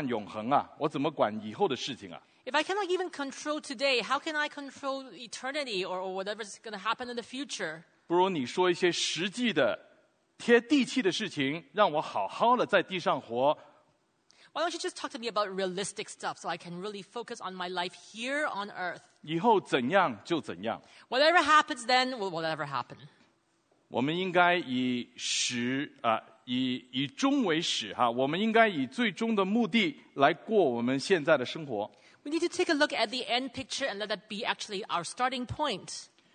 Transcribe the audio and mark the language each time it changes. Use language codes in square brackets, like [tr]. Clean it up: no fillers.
[zh] 我今天的管不好，我怎么样管永恒啊？我怎么管以后的事情啊？ [en] If I cannot even control today, how can I control eternity or whatever's going to happen in the future? [zh] 不如你说一些实际的。贴地气的事情，让我好好的在地上活。 [en] Why don't you just talk to me about realistic stuff so I can really focus on my life here on earth? [zh] 以后怎样就怎样。 [en] Whatever happens then, will whatever happen. [zh] 我们应该以终为始，我们应该以最终的目的来过我们现在的生活。 [en] We need to take a look at the end picture and let that be actually our starting point.